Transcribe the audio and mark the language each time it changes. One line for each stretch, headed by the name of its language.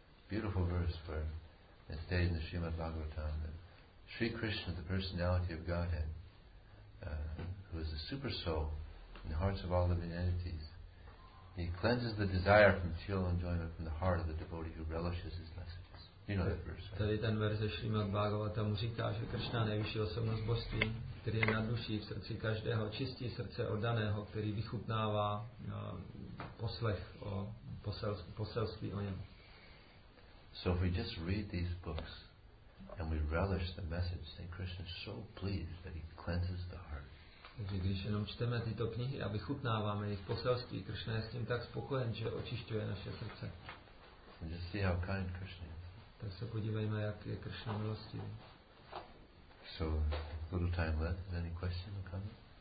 English: Beautiful verse for it stated in the Srimad Bhagavatam that Sri Krishna, the personality of Godhead, who is the super soul in the hearts of all living entities, he cleanses the desire from material enjoyment from the heart of the devotee who relishes his blessings. You know that verse. Right?
Czech: Tady ten verze Srimad Bhagavatam říká, že Krishna nejvyšší osobnost božství, který je na duši v srdci každého, čistí srdce oddaného, který vychutnává poslech o poselství o něm.
English: So if we just read these books and we relish the message, then Krishna is so pleased that he cleanses the heart.
Czech: Takže když jenom čteme tyto knihy a vychutnáváme jejich poselství, Krishna je s tím tak spokojen, že očišťuje naše srdce.
English: And just see how kind Krishna is.
Czech: Tak se podívejme, jak je Krishna milostivý.
English: So, a little time left. Is there any question or comment?